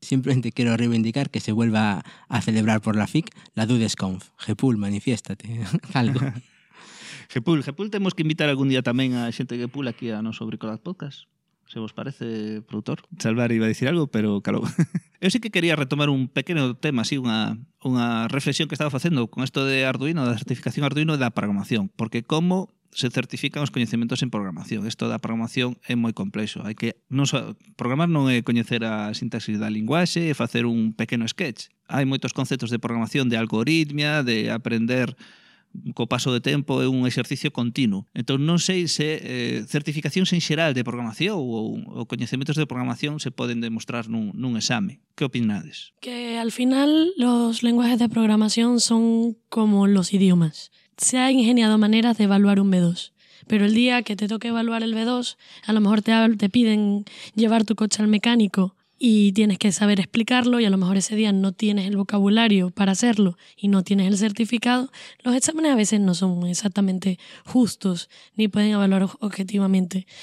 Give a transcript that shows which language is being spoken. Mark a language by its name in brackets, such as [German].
[Spanish] Simplemente quiero reivindicar que se vuelva a celebrar por la FIC la Dudes Conf. Gepul, manifiéstate. Algo. Gepul, tenemos que invitar algún día también a gente de Gepul aquí a nuestro Bricolab Podcast. [Galician] ¿Se vos parece, productor? Salvar [Spanish] iba a decir algo, [Galician] pero calo. Eu sí que quería retomar un pequeno tema, así unha reflexión que estaba facendo con esto de Arduino, da certificación Arduino e da programación. Porque como se certifican os coñecementos en programación. Isto da programación é moi complexo. Hai que programar non é coñecer a sintaxe da linguaxe e facer un pequeno sketch. Hai moitos conceptos de programación, de algoritmia, de aprender co paso de tempo, é un exercicio continuo. Entón, non sei se certificacións en xeral de programación ou coñecementos de programación se poden demostrar nun exame. Que opinades? [Spanish] Que al final, los lenguajes de programación son como los idiomas. Se ha ingeniado maneras de evaluar un B2, pero el día que te toque evaluar el B2, a lo mejor te piden llevar tu coche al mecánico y tienes que saber explicarlo y a lo mejor ese día no tienes el vocabulario para hacerlo y no tienes el certificado, los exámenes a veces no son exactamente justos ni pueden evaluar objetivamente.